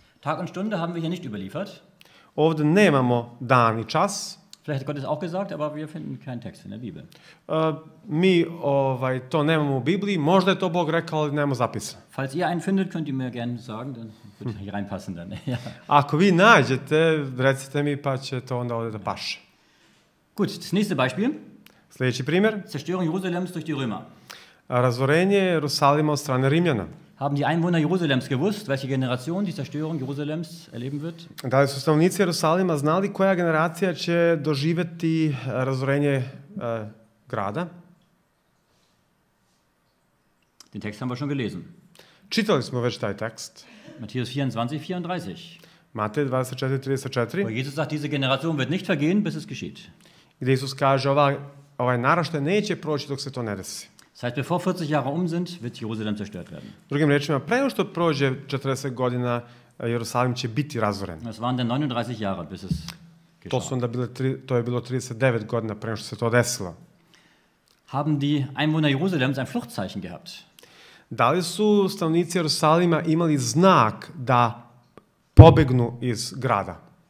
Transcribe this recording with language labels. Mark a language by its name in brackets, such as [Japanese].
[German] Tag und Stunde haben wir hier nicht überliefert. [Serbian] Ovde nemamo dan i čas. [German] Vielleicht hat Gott es auch gesagt, aber wir finden keinen Text in der Bibel. [Serbian] Mi to nemamo u Bibliji, možda je to Bog rekao, ali nemamo zapisa. [German] Falls ihr einen findet, könnt ihr mir gerne sagen, dann würde ich hier reinpassen dann. [Serbian] Ako vi nađete, recite mi, pa će to onda ovde da paše. [German] Gut, das nächste Beispiel. [Serbian] Sljedeći primjer. [German] Zerstörung Jerusalems durch die Römer. [Serbian] Razorenje Jerusalima od strane Rimljana. [German] Haben die Einwohner Jerusalems gewusst, welche Generation die Zerstörung Jerusalems erleben wird? [Serbian] Da li su stanovnici Jerusalima znali koja generacija će doživjeti razorenje grada? [German] Den Text haben wir schon gelesen. [Serbian] Čitali smo već taj tekst. [German] Matthäus 24, 34. [Serbian] Matej 24, 34. [German] Wo Jesus sagt, diese Generation wird nicht vergehen, bis es geschieht. [Serbian] Gde Isus kaže, ovaj naraštaj neće proći dok se to ne desi. [German] Das heißt, bevor 40 Jahre sind, wird Jerusalem zerstört werden. [Serbian] Drugim rečima, pre nego što prođe 40 godina, Jerusalim će biti razoren. [German] Das waren dann 39 Jahre, bis es [Serbian] geschah. To je bilo 39 godina pre nego što se to desilo. [German] Haben die Einwohner Jerusalems ein Fluchtzeichen gehabt? [Serbian] Da li su stanovnici Jerusalima imali znak da pobegnu iz grada?